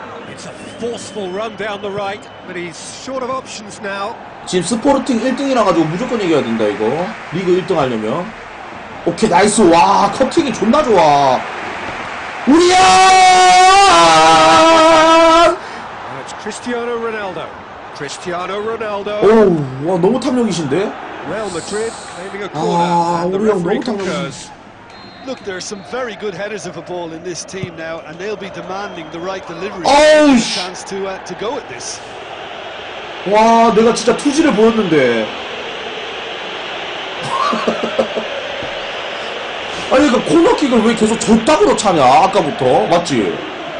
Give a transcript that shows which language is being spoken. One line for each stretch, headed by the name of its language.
English: It's a forceful run down the right, but he's short of options now.
Korean: 지금 스포르팅 1등이라 가지고 무조건 이겨야 된다 이거. 리그 1등 하려면. 오케이, 나이스. 와, 커팅이 존나 좋아. 우리야!
English: That's Cristiano Ronaldo. Cristiano Ronaldo.
Korean: 오, 와, 너무 탐욕이신데?
English: Real Madrid claiming a corner. 아, and the referee concurs. Look, there are some very good headers of a ball in this team now, and they'll be demanding the right delivery. Chance to go at this.
Korean: 와, 내가 진짜 투지를 보였는데. 아니, 그 코너킥을 왜 계속 절딱으로 차냐? 아까부터 맞지?